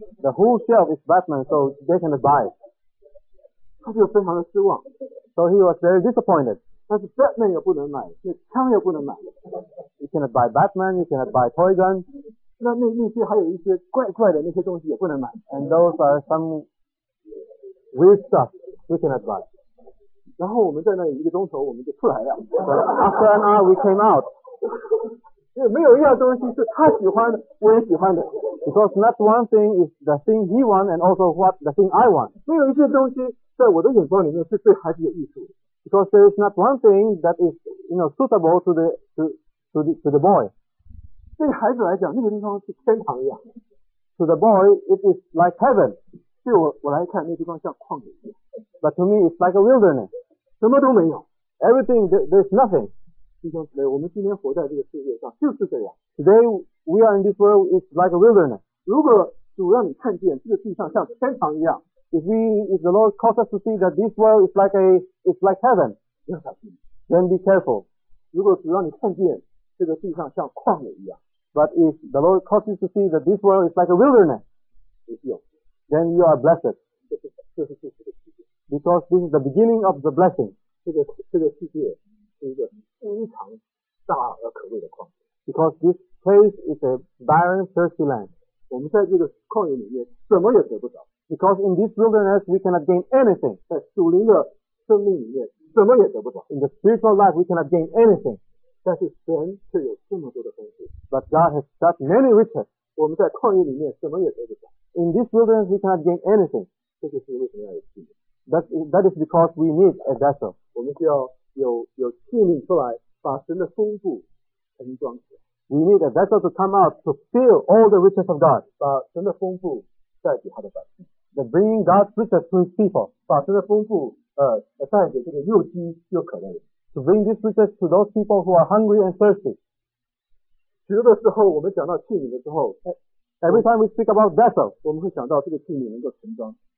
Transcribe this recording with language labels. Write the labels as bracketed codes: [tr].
[en] The whole shelf is Batman, so they cannot buy it. [zh] 他就非常的失望。 [en] So he was very disappointed. [zh] 但是 Batman 又不能买，那枪又不能买。 [en] You cannot buy Batman, you cannot buy toy gun. [zh] 那些还有一些怪怪的那些东西也不能买。 [en] And those are some weird stuff we cannot buy. [zh] 然后我们在那里一个钟头我们就出来了。 [en] But after an hour we came out. [zh] 因为没有一样东西是他喜欢的，我也喜欢的。 [en] Because not one thing is the thing he want and also what the thing I want. [zh] 没有一些东西在我的眼光里面是对孩子有益处的。 [en] Because there is not one thing that is, you know, suitable to the boy. [zh] 对孩子来讲，那个地方是天堂一样。 [en] To the boy, it is like heaven. [zh] 对我来看，那地方像旷野一样。 [en] But to me, it's like a wilderness. [zh] 什么都没有。 [en] Everything, there's nothing. [zh] 弟兄姊妹，我们今天活在这个世界上就是这样。 [en] Today, we are in this world, it's like a wilderness. [zh] 如果主让你看见这个地上像天堂一样， [en] If the Lord calls us to see that this world is like heaven, then be careful. [zh] 如果主让你看见这个地上像旷野一样 [en] ，But if the Lord calls you to see that this world is like a wilderness, then you are blessed. Because this is the beginning of the blessing. [zh] 这个世界是一个非常大而可畏的旷野。 [en] Because this place is a barren, thirsty land. [zh] 我们在这个旷野里面什么也得不着。 [en] Because in this wilderness, we cannot gain anything. [zh] 在属灵的生命里面，什么也得不到。 [en] In the spiritual life, we cannot gain anything. [zh] 但是神却有这么多的丰富。 [en] But God has such many riches. [zh] 我们在旷野里面什么也得不到。 [en] In this wilderness, we cannot gain anything. [zh] 这就是为什么要有器皿。 [en] That is because we need a vessel. [zh] 我们需要有器皿出来，把神的丰富盛装起来。 [en] We need a vessel to come out to fill all the riches of God. [zh] 把神的丰富带给他的百姓。 [en] The bringing God's riches to His people, [zh] 把这个丰富带给这个又饥又渴的人。 [en] To bring these riches to those people who are hungry and thirsty. [zh] 许多的时候，我们讲到器皿的时候 [en] ，Every time we speak about vessel, [zh] 我们会想到这个器皿能够盛装。